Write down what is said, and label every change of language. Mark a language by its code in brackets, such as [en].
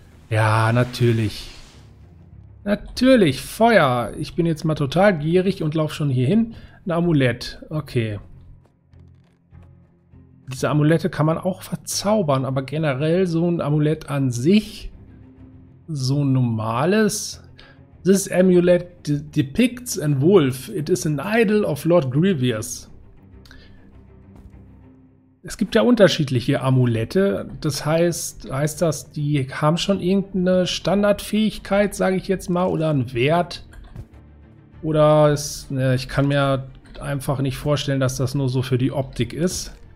[de] Ja, natürlich. Natürlich, Feuer. Ich bin jetzt mal total gierig und laufe schon hier hin. Ein Amulett, okay. Diese Amulette kann man auch verzaubern, aber generell so ein Amulett an sich, so ein normales. [en] This amulet depicts a wolf. It is an idol of Lord Grievous. [de] Es gibt ja unterschiedliche Amulette. Das heißt das, die haben schon irgendeine Standardfähigkeit, sage ich jetzt mal, oder einen Wert. Oder es, ich kann mir einfach nicht vorstellen, dass das nur so für die Optik ist.